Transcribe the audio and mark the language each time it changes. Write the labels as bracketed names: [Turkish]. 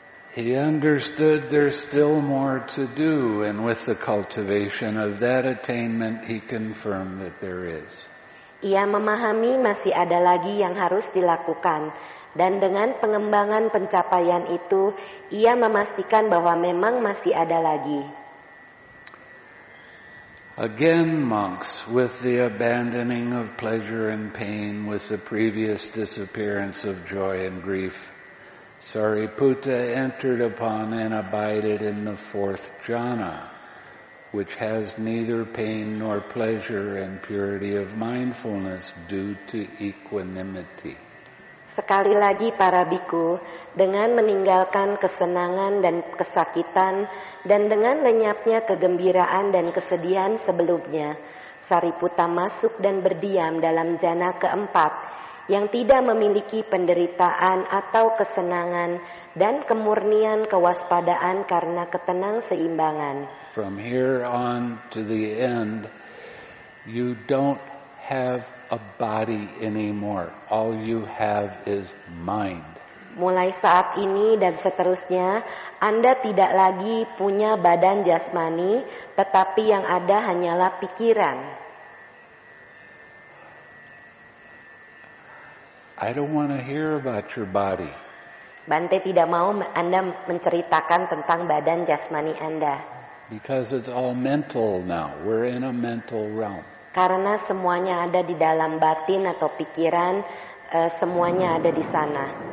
[English] He understood there's still more to do, and with the cultivation of that attainment, he confirmed that there is. [Indonesian] Ia memahami masih ada lagi yang harus dilakukan, dan dengan pengembangan pencapaian itu, ia memastikan bahwa memang masih ada lagi. [English] Again, monks, with the abandoning of pleasure and pain, with the previous disappearance of joy and grief, Sariputta entered upon and abided in the fourth jhana, which has neither pain nor pleasure and purity of mindfulness due to equanimity. [Indonesian] Sekali lagi para bhikkhu, dengan meninggalkan kesenangan dan kesakitan, dan dengan lenyapnya kegembiraan dan kesedihan sebelumnya, Sariputta masuk dan berdiam dalam jhana keempat, yang tidak memiliki penderitaan atau kesenangan dan kemurnian kewaspadaan karena ketenang seimbangan. [English] From here on to the end, you don't have a body anymore. All you have is mind. [Indonesian] Mulai saat ini dan seterusnya, Anda tidak lagi punya badan jasmani, tetapi yang ada hanyalah pikiran. [English] I don't want to hear about your body. [Indonesian] Bante tidak mau Anda menceritakan tentang badan jasmani Anda. [English] Because it's all mental now. We're in a mental realm. [Indonesian] Karena semuanya ada di dalam batin atau pikiran, semuanya ada di sana.